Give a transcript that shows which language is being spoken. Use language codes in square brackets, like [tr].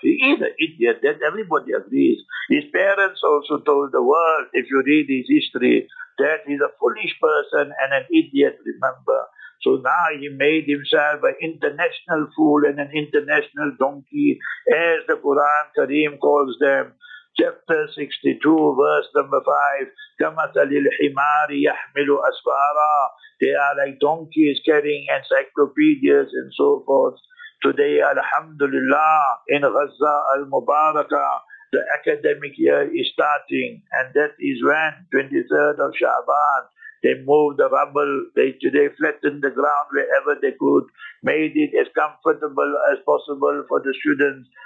[en] He is an idiot, that everybody agrees. His parents also told the world, if you read his history, that he's a foolish person and an idiot, remember. So now he made himself an international fool and an international donkey, as the Quran Kareem calls them. Chapter 62, verse number 5, [ar] كَمَثَلِ الْحِمَارِ يَحْمِلُ أَسْفَارًا. [en] They are like donkeys carrying encyclopedias and so forth. Today, alhamdulillah, in Gaza al-Mubarakah, the academic year is starting, and that is when, 23rd of Sha'ban, they moved the rubble, they flattened the ground wherever they could, made it as comfortable as possible for the students.